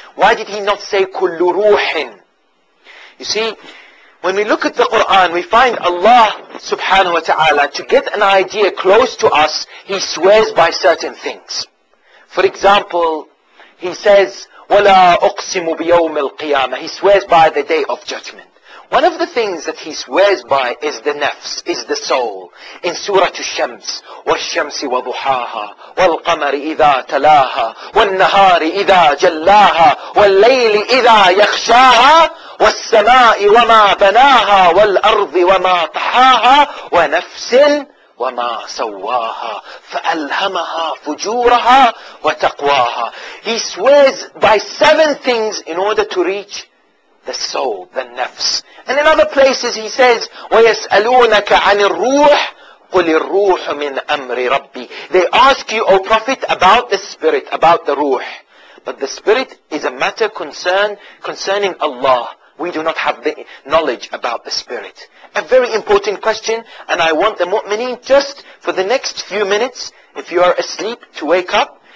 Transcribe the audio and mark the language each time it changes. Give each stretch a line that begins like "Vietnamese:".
English: Why did he not say
Arabic: kullu ruhin?
English: You see, when we look at the Quran, we find Allah subhanahu wa ta'ala, to get an idea close to us, he swears by certain things. For example, he says,
Arabic: وَلَا أُقْسِمُ بِيَوْمِ الْقِيَامَةِ.
English: He swears by the day of judgment. One of the things that he swears by is the nafs, is the soul.
Arabic: In Surah Al-Shams, وَالشَّمْسِ وَضُحَاهَا وَالْقَمَرِ إِذَا تَلَاهَا وَالنَّهَارِ إِذَا جَلَّاهَا وَالْلَّيْلِ إِذَا يَخْشَاهَا وَالسَّمَاءِ وَمَا بَنَاهَا وَالْأَرْضِ وَمَا طَحَاهَا وَنَفْسٍ وَمَا سَوَّاهَا فَأَلْهَمَهَا فُجُورَهَا وَتَقْوَاهَا.
English: He swears by seven things in order to reach the soul, the nafs. And in other places he says,
Arabic: وَيَسْأَلُونَكَ عَنِ الرُّوحِ قُلِ الرُّوحُ مِنْ أَمْرِ رَبِّي.
English: They ask you, O Prophet, about the spirit, about the ruh. But the spirit is a matter concerning Allah. We do not have the knowledge about the spirit. A very important question, and I want the mu'mineen just for the next few minutes, if you are asleep, to wake up.